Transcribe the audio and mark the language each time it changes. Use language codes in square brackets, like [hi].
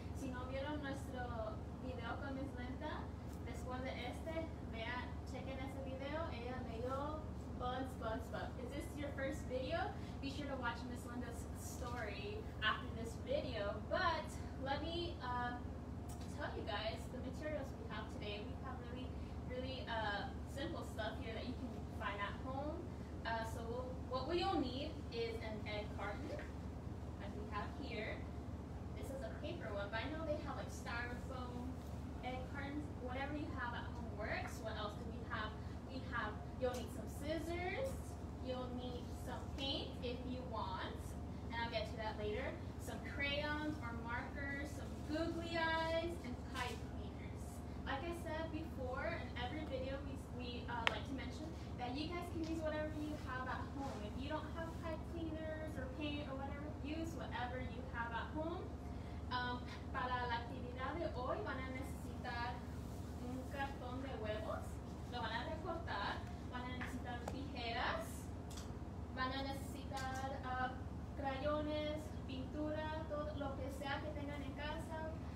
[es] Si no vieron nuestro video con Miss Linda, después de este, vean, chequen ese video. Ella me dio [en] buns. Is this your first video? Be sure to watch Miss Linda's story after this video. But let me tell you guys the materials we have today. We have really, really simple stuff here that you can find at home. So what we all need is an egg carton. Here, this is a paper one, but I know they have like styrofoam egg cartons. Whatever you have at home works. What else do we have? We have, you'll need some scissors, you'll need some paint if you want, and I'll get to that later. Some crayons or markers, some googly eyes, and pipe cleaners. Like I said before, in every video, we like to mention that you guys can use whatever you have at home. If you don't have pipe cleaners or paint or whatever, use whatever you have at home. [es] Para la actividad de hoy van a necesitar un cartón de huevos. Lo van a recortar. Van a necesitar tijeras. Van a necesitar crayones, pintura, todo lo que sea que tengan en casa.